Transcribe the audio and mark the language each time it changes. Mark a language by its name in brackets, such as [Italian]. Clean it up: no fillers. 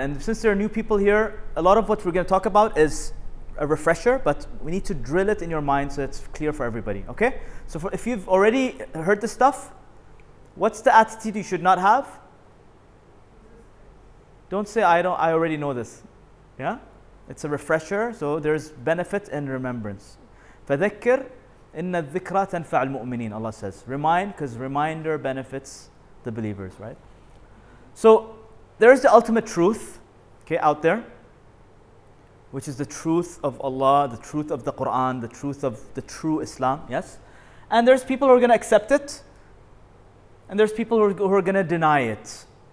[English] And since there are new people here, a lot of what we're going to talk about is a refresher, but we need to drill it in your mind so it's clear for everybody, okay? So if you've already heard this stuff, what's the attitude you should not have? Don't say, I already know this. Yeah? It's a refresher, so there's benefit in remembrance. [Arabic] فَذَكِّرْ إِنَّ الذِّكْرَ تَنْفَعَ الْمُؤْمِنِينَ, [English] Allah says. Remind, because reminder benefits the believers, right? So, there is the ultimate truth, okay, out there, which is the truth of Allah, the truth of the Quran, the truth of the true Islam, yes? And there's people who are going to accept it, and there's people who are going to deny it.